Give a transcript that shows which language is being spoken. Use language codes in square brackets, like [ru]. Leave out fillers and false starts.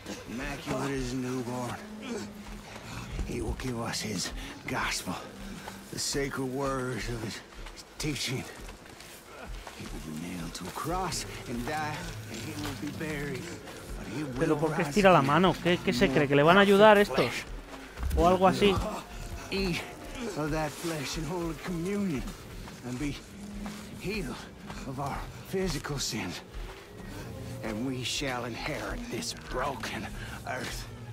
[en] Immaculate as a newborn, he will give us his gospel, the sacred words of his teaching. He will be nailed to a cross and die, and he will be buried. But he will. [es] Pero ¿por qué estira la mano? ¿Qué se cree que le van a ayudar estos o algo así? [en] Eat of that flesh and hold communion and be healed of our physical sins. And we shall inherit this broken earth.